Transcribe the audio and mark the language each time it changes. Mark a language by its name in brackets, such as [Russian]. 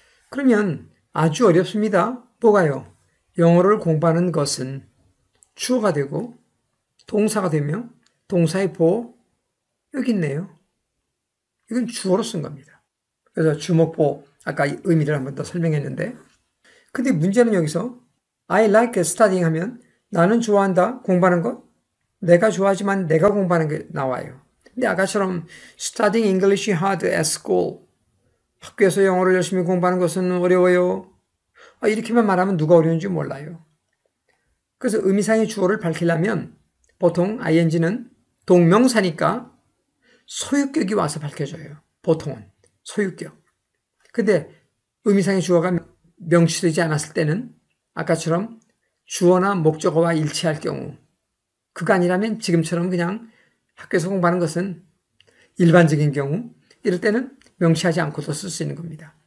[Korean] 그러면 아주 어렵습니다. 뭐가요? 영어를 공부하는 것은 주어가 되고 동사가 되며 동사의 보호 여기 있네요. 이건 주어로 쓴 겁니다. 그래서 주목보호 아까 의미를 한번 더 설명했는데 근데 문제는 여기서 [English] I like studying [Korean] 하면 나는 좋아한다, 공부하는 것. 내가 좋아하지만 내가 공부하는 게 나와요. [English] 근데 아까처럼 studying English hard at school. [Korean] 학교에서 영어를 열심히 공부하는 것은 어려워요. 아, 이렇게만 말하면 누가 어려운지 몰라요. 그래서 의미상의 주어를 밝히려면 보통 ing는 동명사니까 소유격이 와서 밝혀져요. 보통은 소유격. 근데 의미상의 주어가 명시되지 않았을 때는 아까처럼 주어나 목적어와 일치할 경우, 그가 아니라면 지금처럼 그냥 학교에서 공부하는 것은 일반적인 경우, 이럴 때는 명시하지 않고도 쓸수 있는 겁니다.